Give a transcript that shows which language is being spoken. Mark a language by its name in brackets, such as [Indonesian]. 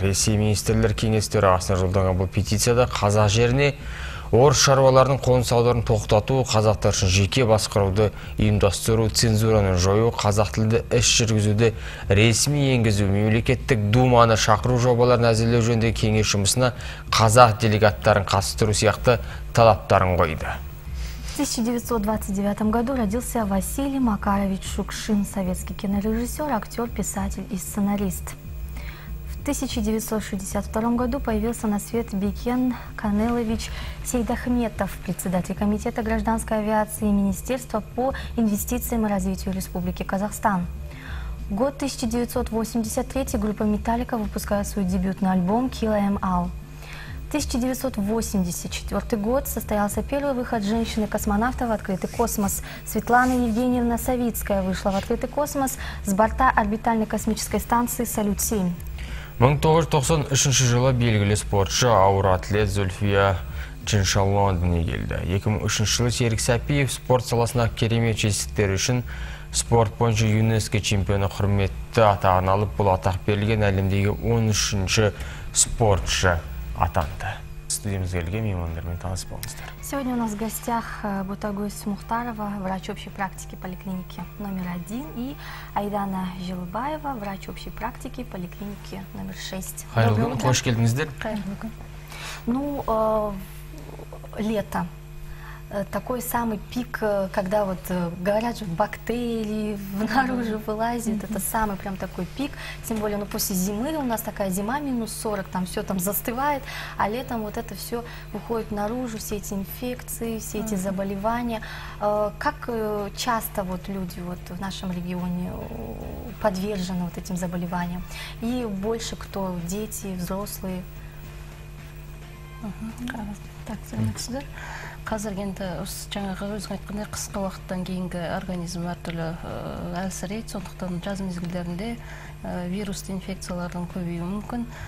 [Kazakh] Ресей министрлер кеңесі төрағасына жолданған бұл петицияда қазақ жеріне орыс шаруаларының қоныс аударуын тоқтату, қазақтар үшін жеке басқаруды ұйымдастыру, цензураны жою, қазақ тілінде іс жүргізуді ресми енгізу, мемлекеттік думаны шақыру жобаларын әзірлеу жөніндегі кеңес жұмысына қазақ делегаттарын қатыстыру сияқты талаптарын қойды. [Russian] В 1929 году родился Василий Макарович Шукшин, советский кинорежиссер, актер, писатель и сценарист. В 1962 году появился на свет Бекен Канелович Сейдахметов, председатель Комитета гражданской авиации и Министерства по инвестициям и развитию Республики Казахстан. Год 1983 группа «Металлика» выпускает свой дебютный альбом «Kill Em All». 1984 год состоялся первый выход женщины-космонавта в открытый космос. Светлана Евгеньевна Савицкая вышла в открытый космос с борта орбитальной космической станции «Салют-7». [Kazakh] 1993 жылы белгілі спортшы, ауыр атлет Зульфия Чиншалуа дүниеге келді. 2003 жылы Серік Сәпиев спорт саласына керемет жетістіктері үшін спорт бойынша ЮНЕСКО чемпионы құрметті атағын алып, бұл атақ берілген әлемдегі 13-ші спортшы атанды. Студиямызға келген меймандармен таныс болыңыздар. [Russian] Сегодня у нас в гостях Ботагөз Мұхтарова, врач общей практики поликлиники номер 1, и Айдана Жилбаева, врач общей практики поликлиники номер 6. [Kazakh] Хайырлы күн, қош келдіңіздер. Хайырлы күн. [Russian] Ну, лето. Такой самый пик, когда вот говорят же, бактерии наружу вылазят, это самый прям такой пик, тем более, ну, после зимы у нас такая зима -40, там все там застывает, а летом вот это все выходит наружу, все эти инфекции, все эти заболевания. Как часто вот люди вот в нашем регионе подвержены вот этим заболеваниям? И больше кто, дети, взрослые? Так, сюда. [Kazakh] Қазір енді жаңағы өзің айтқандай қысқа уақыттан кейінгі организм әртүрлі әлсірейді, сондықтан жаз мезгілдерінде вирусты инфекциялардың көбеюі мүмкін.